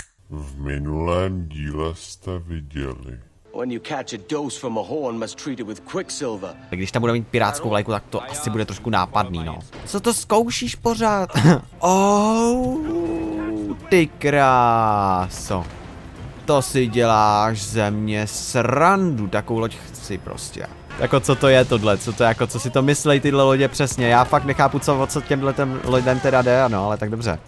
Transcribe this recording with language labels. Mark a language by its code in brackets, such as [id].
[cs] V minulém díle jste viděli. [en] When you catch a dose from a horn, must treat it with quicksilver. [cs] Tak když tam bude mít pirátskou vlajku, tak to asi bude trošku nápadný, no. Co to zkoušíš pořád? Oh, ty kráso. To si děláš ze mě srandu, takovou loď chci prostě. Jako co to je tohle, co to je, jako co si to myslej tyhle lodě přesně, já fakt nechápu co těmhle těm lodem teda jde, ano, ale tak dobře.